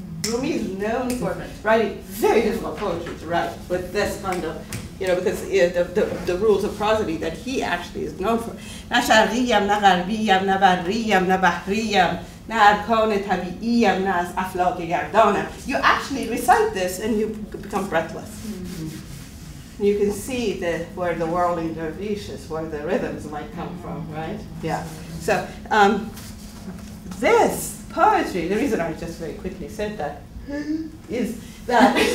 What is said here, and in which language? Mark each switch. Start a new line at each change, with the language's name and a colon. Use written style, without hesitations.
English: Rumi is known for writing very difficult poetry to write with this kind of, you know, because the rules of prosody that he actually is known for.
Persian: نه شرقیم، نه غربیم، نه بریم، نه بحریم، نه ارکان طبیعیم، نه از افلاق گردانم.
English: You actually recite this and you become breathless. You can see the where the whirling dervishes, where the rhythms might come from, right? Yeah. So this poetry, the reason I just very quickly said that, is that